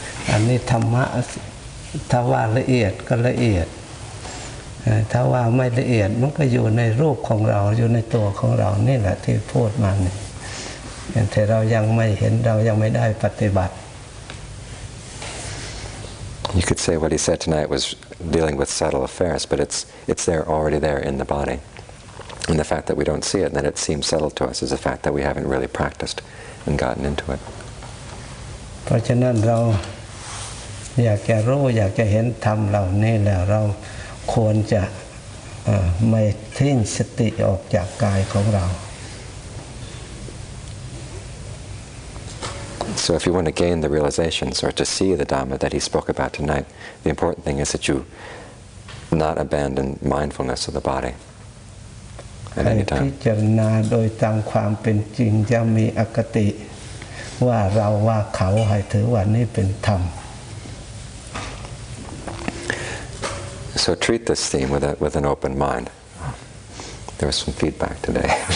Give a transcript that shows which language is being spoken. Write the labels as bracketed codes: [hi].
[th] อันนี้ธรรมะถ้าว่าละเอียดก็ละเอียดถ้าว่าไม่ละเอียดมันก็อยู่ในรูปของเราอยู่ในตัวของเรานี่แหละที่พูดมาเนี่ยแต่เรายังไม่เห็นเรายังไม่ได้ปฏิบัติ [en] You could say what he said tonight was dealing with subtle affairs, but it's there already there in the body. And the fact that we don't see it and that it seems subtle to us is the fact that we haven't really practiced and gotten into it. [th] เพราะฉะนั้นเราอยากจะรู้อยากจะเห็นธรรมเหล่านี้แล้วเราควรจะไม่ทิ้งสติออกจากกายของเรา [en] So if you want to gain the realizations or to see the Dhamma that he spoke about tonight, the important thing is that you not abandon mindfulness of the body at any time. [th] พิจารณาโดยตามความเป็นจริงจะมีอคติว่าเราว่าเขาให้ถือว่านี่เป็นธรรม [en] So treat this theme with an open mind. There was some feedback today.